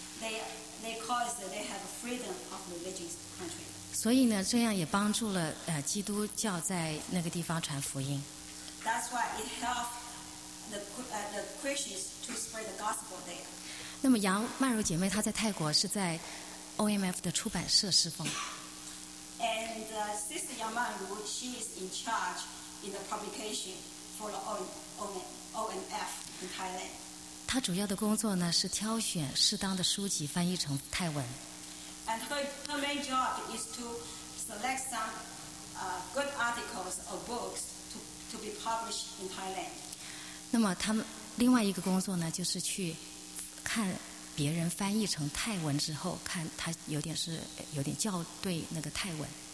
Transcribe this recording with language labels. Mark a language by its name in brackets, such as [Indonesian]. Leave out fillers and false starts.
[English] They cause they have freedom of religious country. [Chinese] 所以呢，这样也帮助了基督教在那个地方传福音。 [English] That's why it helped the Christians to spread the gospel there. [Chinese] 那么杨曼如姐妹她在泰国是在 OMF 的出版社侍奉。 [English] And Sister Yang Manru, she is in charge in the publication for the OMF in Thailand. [Chinese] 他主要的工作呢是挑选适当的书籍翻译成泰文。 [English] And her main job is to select some good articles or books to be published in Thailand. [Chinese] 那么他们另外一个工作呢，就是去看别人翻译成泰文之后，看他有点是有点校对那个泰文。